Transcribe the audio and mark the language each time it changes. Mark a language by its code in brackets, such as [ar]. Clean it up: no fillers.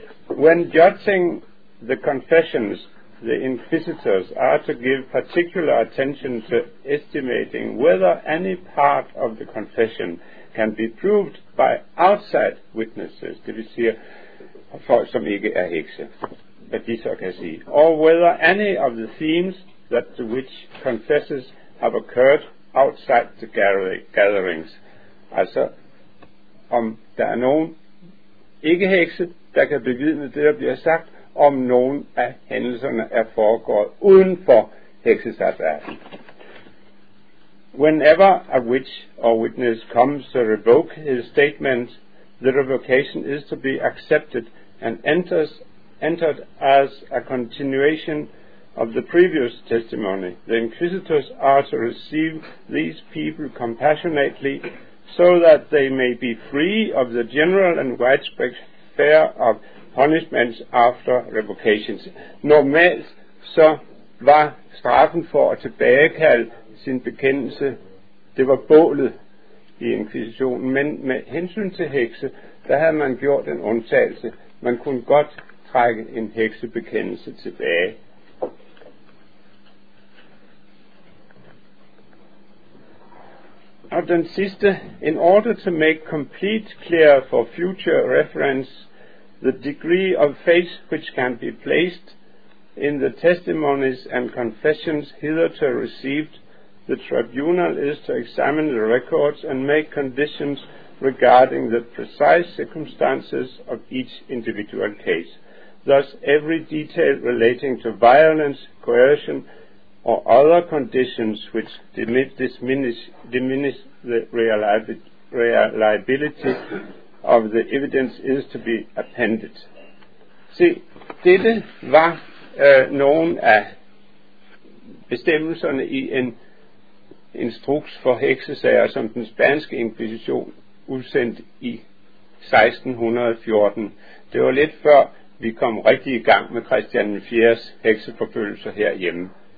[en] When judging the confessions, the inquisitors are to give particular attention to estimating whether any part of the confession can be proved by outside witnesses, [da] det vil sige folk, som ikke er hekse, at de så kan sige, [en] or whether any of the themes that the witch confesses have occurred outside the gatherings. [da] Altså, om der er nogen ikke hekse, der kan bevidne det, der bliver sagt, om nogen af hændelserne er foregået uden for heksesabbaten. [en] Whenever a witch or witness comes to revoke his statement, the revocation is to be accepted and entered as a continuation of the previous testimony. The inquisitors are to receive these people compassionately so that they may be free of the general and widespread fear of punishments after revocations. [da] Normalt så var straffen for at tilbagekalde sin bekendelse, det var bålet i inkvisitionen, men med hensyn til hekse, der havde man gjort en undtagelse. Man kunne godt trække en heksebekendelse tilbage. Og den sidste, [en] in order to make complete clear for future reference the degree of faith which can be placed in the testimonies and confessions hitherto received, the tribunal is to examine the records and make conditions regarding the precise circumstances of each individual case. Thus, every detail relating to violence, coercion, or other conditions which diminish the reliability of the evidence is to be appended. [da] Se, dette var nogle af bestemmelserne i en instruks for heksesager, som den spanske inkvisition udsendte i 1614. Det var lidt før vi kom rigtig i gang med Christian den 4.'s hekseforfølgelser herhjemme.